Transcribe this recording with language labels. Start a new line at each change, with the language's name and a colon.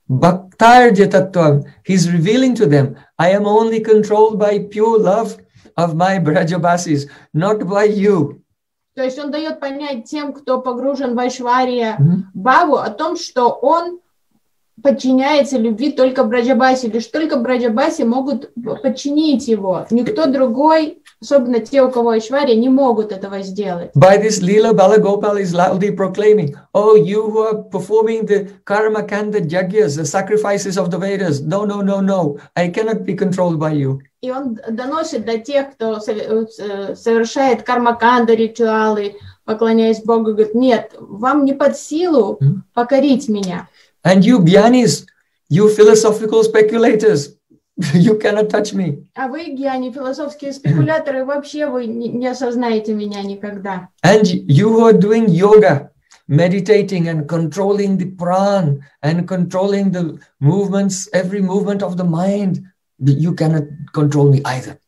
English: Bhaktairjatattvam, he's revealing to them, I am only controlled by pure love of my Brajabasis, not by you.
Russian: То есть он дает понять тем, кто погружен в Айшвария Бхаву, о том, что он подчиняется любви только Браджабаси, лишь только Браджабаси могут подчинить его. Никто другой, особенно те, у кого Айшвария, не могут этого сделать.
English: By this lila, Balagopal is loudly proclaiming, oh, you who are performing the karma kanda jagyas, the sacrifices of the Vedas, no, I cannot be controlled by you.
Russian: И он доносит до тех, кто совершает карма канда ритуалы, поклоняясь Богу, говорит, нет, вам не под силу покорить меня.
English: And you gyanis, you philosophical speculators, you cannot touch me.
Russian: А вы гьяни, философские спекуляторы, вообще вы не осознаете меня никогда.
English: And you who are doing yoga, meditating and controlling the prana and controlling the movements, every movement of the mind, you cannot control me either.